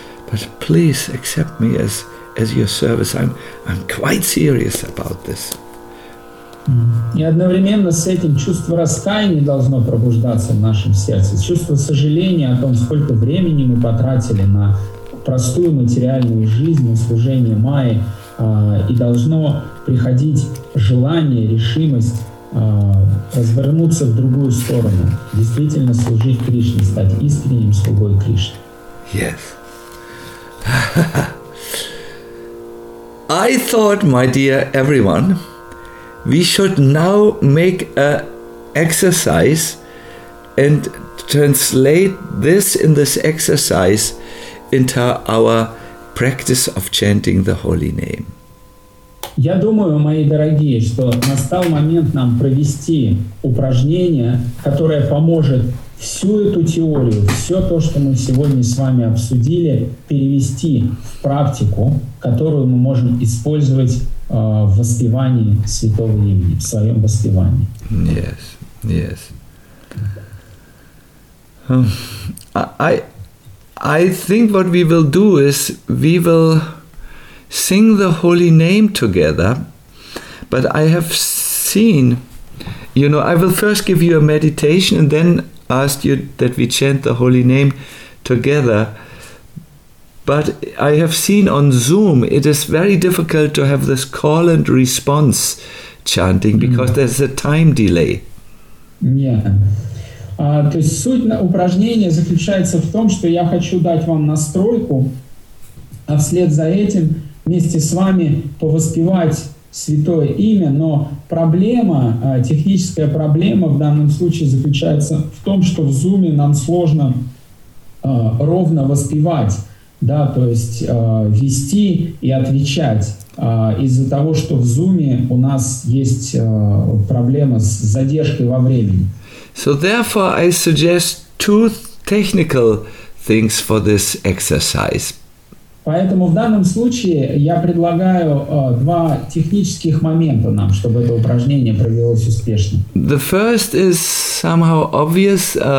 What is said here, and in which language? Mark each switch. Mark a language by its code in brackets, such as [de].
[en] But please accept me as your service. I'm quite serious about this. [ru] И одновременно с этим чувство раскаяния должно пробуждаться в нашем сердце. Чувство сожаления о том, сколько времени мы потратили на простую материальную жизнь, на служение Майе, и должно приходить желание, решимость развернуться в другую сторону, действительно служить Кришне, стать искренним слугой Кришны. [en] Yes. I thought, my dear everyone, we should now make a exercise and translate this in this exercise into our practice of chanting the holy name. [ru] Я думаю, мои дорогие, что настал момент нам провести упражнение, которое поможет всю эту теорию, все то, что мы сегодня с вами обсудили, перевести в практику, которую мы можем использовать в воспевании святого имени, в своем воспевании. [en] Yes, yes. I think what we will do is we will sing the holy name together, but I have seen, you know, I will first give you a meditation and then ask you that we chant the holy name together. But I have seen on Zoom, it is very difficult to have this call and response chanting because there's a time delay. Yeah. [ru] То есть суть упражнения заключается в том, что я хочу дать вам настройку, а вслед за этим вместе с вами повоспевать святое имя. Но проблема, техническая проблема в данном случае заключается в том, что в Zoom нам сложно ровно воспевать, да, то есть вести и отвечать. Из-за того, что в Zoom у нас есть проблема с задержкой во времени. [en] So therefore, I suggest two technical things for this exercise. [ru] Поэтому в данном случае я предлагаю два технических момента нам, чтобы это упражнение провелось успешно. [en] The first is somehow obvious.